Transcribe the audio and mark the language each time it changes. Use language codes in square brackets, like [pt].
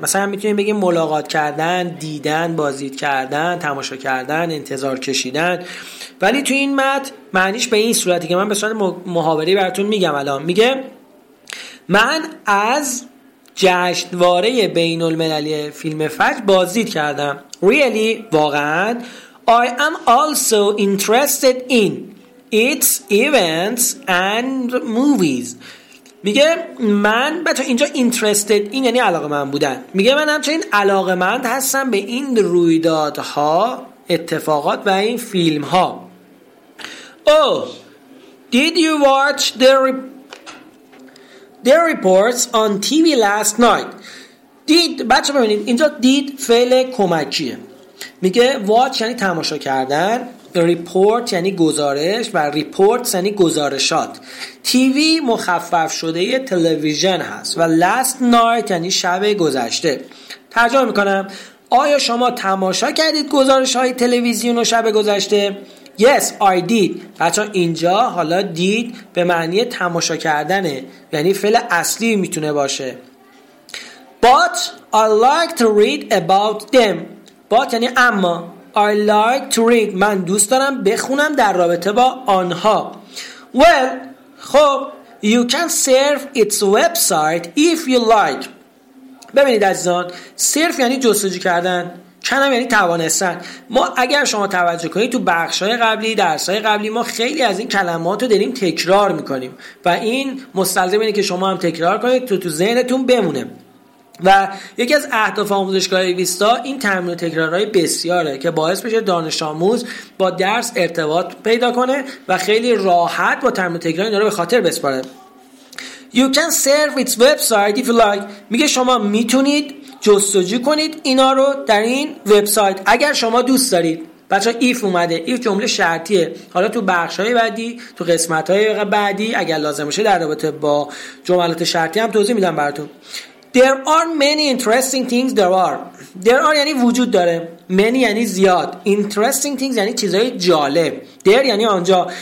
[fa] مثلا میتونیم بگیم ملاقات کردن، دیدن، بازدید کردن، تماشا کردن، انتظار کشیدن. ولی تو این متن معنیش به این صورتی که من به صورت محاوره‌ای براتون میگم الان، میگه من از جشنواره بین المللی فیلم فجر بازدید کردم. [en] Really؟ [fa] واقعا. [en] I am also interested in its events and movies. [fa] میگه من، بچه اینجا interested این یعنی علاقه من بودن، میگه من همچنین علاقه من هستم به این رویدادها، اتفاقات و این فیلم ها. [en] Did you watch the reports on TV last night. [fa] دید، بچه ببینید اینجا دید فعل کمکیه، میگه watch یعنی تماشا کردن، report یعنی گزارش و reports یعنی گزارشات. TV مخفف شده یه تلویزیون هست و last night یعنی شب گذشته. ترجمه میکنم، آیا شما تماشا کردید گزارش های تلویزیون و شب گذشته؟ [en] Yes, I did. [fa] بچه اینجا حالا دید به معنی تماشا کردنه، یعنی فعل اصلی میتونه باشه. [en] But I like to read about them. But [fa] یعنی اما. [en] I like to read، [fa] من دوست دارم بخونم در رابطه با آنها. [en] Well، خب you can surf its website if you like. [fa] ببینید عزیزان، surf یعنی جستجو کردن، کنم یعنی توانستن. ما اگر شما توجه کنید تو بخش‌های قبلی، درس‌های قبلی، ما خیلی از این کلمات رو داریم تکرار می‌کنیم و این مستلزم اینه که شما هم تکرار کنید تو ذهنتون بمونه. و یکی از اهداف آموزشگاه ویستا این تمرین و تکرارهای بسیاره که باعث بشه دانش آموز با درس ارتباط پیدا کنه و خیلی راحت با تمرین و تکرار اینا رو به خاطر بسپاره. [en] You can surf its website if you like. [fa] میگه شما میتونید جستجو کنید اینا رو در این وبسایت اگر شما دوست دارید. بچه ایف اومده، ایف جمله شرطیه. حالا تو بخش های بعدی، تو قسمت های بعدی اگر لازم باشه در رابطه با جملات شرطی هم توضیح میدم براتون. [en] There are many interesting things there are. There are [fa] یعنی وجود داره، [en] many [fa] یعنی زیاد، [en] interesting things [fa] یعنی چیزهای جالب، [en] there [fa] یعنی آنجا.